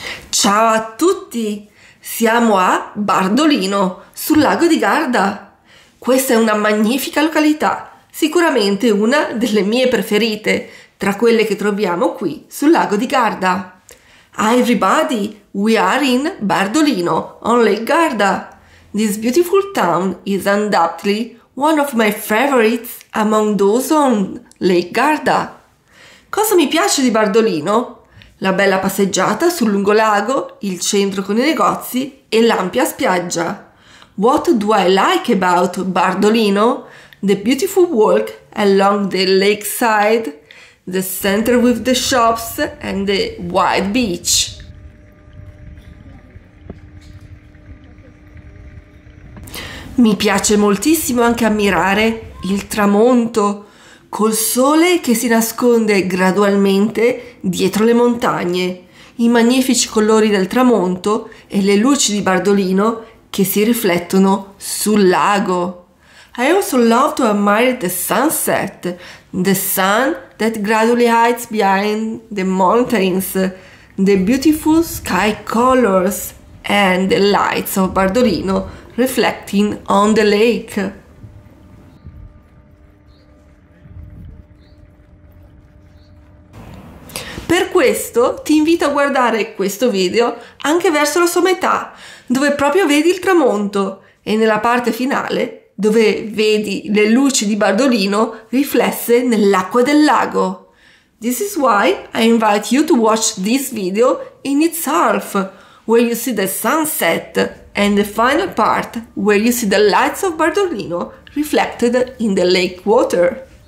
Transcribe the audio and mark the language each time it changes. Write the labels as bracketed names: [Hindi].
[Italian] Ciao a tutti, siamo a Bardolino, sul Lago di Garda. Questa è una magnifica località, sicuramente una delle mie preferite, tra quelle che troviamo qui sul Lago di Garda. [English] Hi everybody, we are in Bardolino, on Lake Garda. This beautiful town is undoubtedly one of my favorites among those on Lake Garda. [Italian] Cosa mi piace di Bardolino? La bella passeggiata sul lungolago, il centro con i negozi e l'ampia spiaggia. [English] What do I like about Bardolino? The beautiful walk along the lakeside, the center with the shops and the wide beach. [Italian] Mi piace moltissimo anche ammirare il tramonto col sole che si nasconde gradualmente dietro le montagne, i magnifici colori del tramonto e le luci di Bardolino che si riflettono sul lago. [English] I also love to admire the sunset, the sun that gradually hides behind the mountains, the beautiful sky colors and the lights of Bardolino reflecting on the lake. [Italian] Per questo ti invito a guardare questo video anche verso la sua metà, dove proprio vedi il tramonto, e nella parte finale, dove vedi le luci di Bardolino riflesse nell'acqua del lago. [English] This is why I invite you to watch this video in itself, where you see the sunset, and the final part, where you see the lights of Bardolino reflected in the lake water.